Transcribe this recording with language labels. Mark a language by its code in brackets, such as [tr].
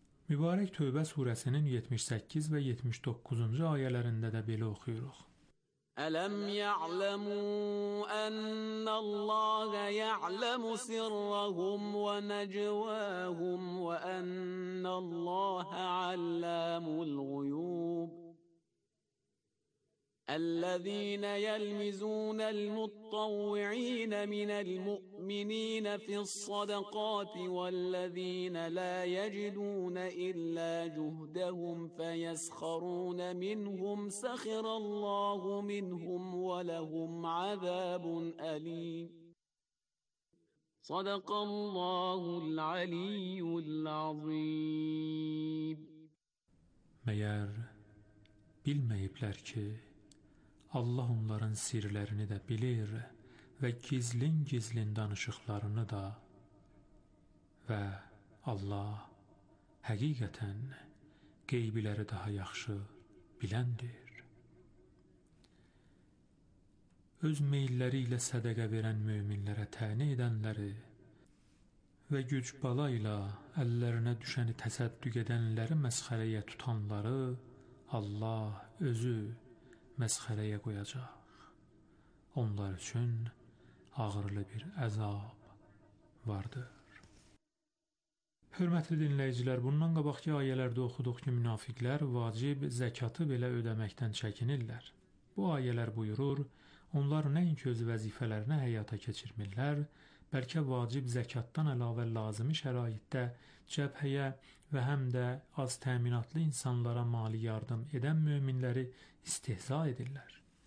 [az] Mübarək Tövbə surəsinin 78 və 79-cu ayələrində də belə oxuyuruq. [ar] Ələm ya'ləmu ənnəlləhə ya'ləmu sirrəhum və nəcvəhum və ənnəlləhə alləmul qüyub. الذين يلمزون المتطوعين من المؤمنين في الصدقات والذين لا يجدون إلا جهدهم فيسخرون منهم سخر الله منهم ولهم عذاب أليم صدق الله العلي العظيم مَيَّر بِالْمَيْبَلَرْكِ [az] Allah onların sirlərini də bilir və gizlin-gizlin danışıqlarını da və Allah həqiqətən qeybiləri daha yaxşı biləndir. Öz meyilləri ilə sədəqə verən möminlərə tənə edənləri və güc bala ilə əllərinə düşəni təsəddüq edənləri məsxərəyə tutanları Allah özü məsxərəyə qoyacaq. Onlar üçün ağırlı bir əzab vardır. Hörmətli dinləyicilər, bundan qabaqki ayələrdə oxuduq ki, münafiqlər vacib zəkatı belə ödəməkdən çəkinirlər. Bu ayələr buyurur, onlar nəinki öz vəzifələrini həyata keçirmirlər, bəlkə vacib zəkatdan əlavə lazımi şəraitdə cəbhəyə və həm də az təminatlı insanlara mali yardım edən möminləri istehza edirlər.